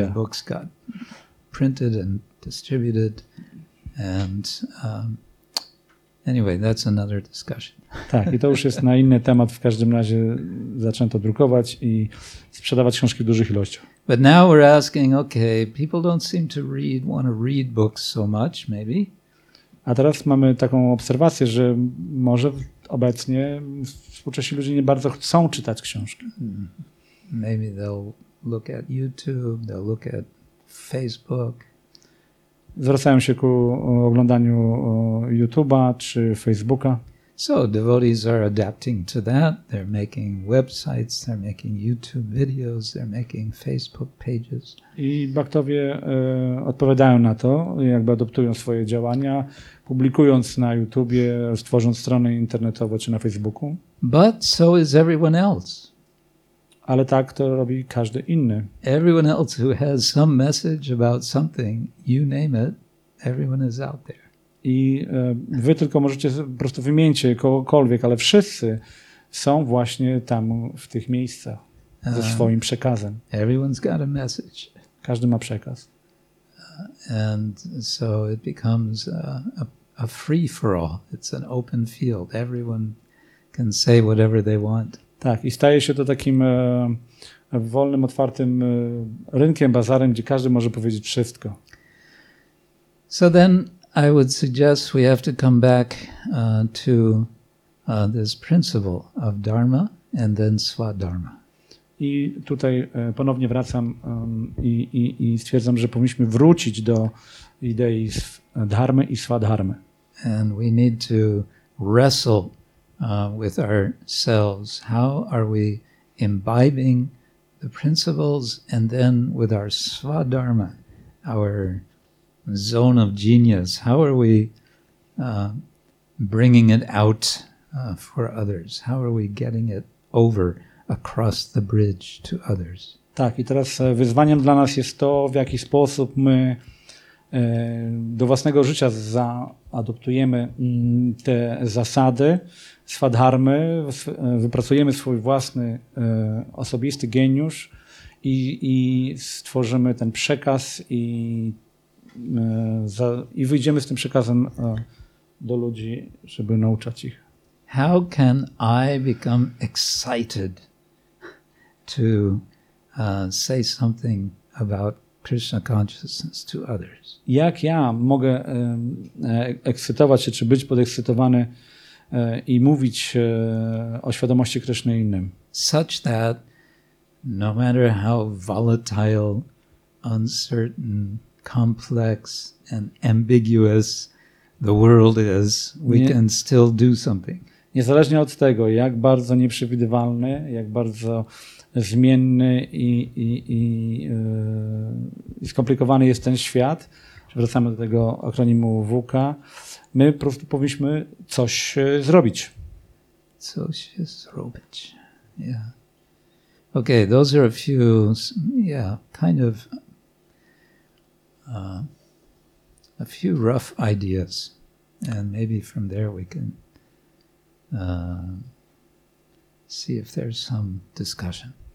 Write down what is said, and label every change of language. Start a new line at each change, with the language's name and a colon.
English: A lot of books got printed and distributed. And anyway, that's another discussion.
Polish: Tak, i to już jest na inny temat. W każdym razie zaczęto drukować i sprzedawać książki w dużych ilościach.
English: But now we're asking, okay, people don't seem to want to read books so much, maybe.
Polish: A teraz mamy taką obserwację, że może obecnie współcześni ludzie nie bardzo chcą czytać książki.
English: Maybe they'll look at YouTube, they'll look at Facebook.
Polish: Zwracają się ku oglądaniu YouTube'a czy Facebooka.
English: So devotees are adapting to that. They're making websites, they're making YouTube videos, they're making Facebook pages.
Polish: I bhaktowie odpowiadają na to, jakby adoptują swoje działania, publikując na YouTubie, tworząc strony internetowe czy na Facebooku.
English: But so is everyone else.
Polish: ale tak to robi każdy inny.
English: Everyone else who has some message about something, you name it, everyone is out there.
Polish: I wy tylko możecie po prostu wymienić kogokolwiek, ale wszyscy są właśnie tam w tych miejscach ze swoim przekazem.
English: Everyone's got a message.
Polish: Każdy ma przekaz.
English: And so it becomes a free for all. It's an open field. Everyone can say whatever they want.
Polish: Tak, i staje się to takim wolnym, otwartym rynkiem, bazarem, gdzie każdy może powiedzieć wszystko.
English: So then I would suggest we have to come back to this principle of dharma and then swadharma.
Polish: I tutaj ponownie wracam i stwierdzam, że powinniśmy wrócić do idei dharmy i swadharmy.
English: And we need to wrestle with ourselves. How are we imbibing the principles and then with our swadharma, our zone of genius, how are we bringing it out for others? How are we getting it over across the bridge to others?
Polish: Tak, i teraz wyzwaniem dla nas jest to, w jaki sposób my do własnego życia zaadoptujemy te zasady swadharmy, wypracujemy swój własny osobisty geniusz i stworzymy ten przekaz i wyjdziemy z tym przekazem do ludzi, żeby nauczać ich.
English: How can I become excited to say something about Krishna consciousness to others?
Polish: Jak ja mogę ekscytować się, czy być podekscytowany i mówić o świadomości Kryszny innym?
English: Such that no matter how volatile, uncertain, complex and ambiguous the world is, we can still do something.
Polish: Niezależnie od tego, jak bardzo nieprzewidywalny, jak bardzo zmienny i skomplikowany jest ten świat, wracamy do tego akronimu WUKA, my po prostu powinniśmy coś zrobić. Coś zrobić, yeah.
English: Okay, those are a few, kind of a few rough ideas, and maybe from there we can see if there's some discussion.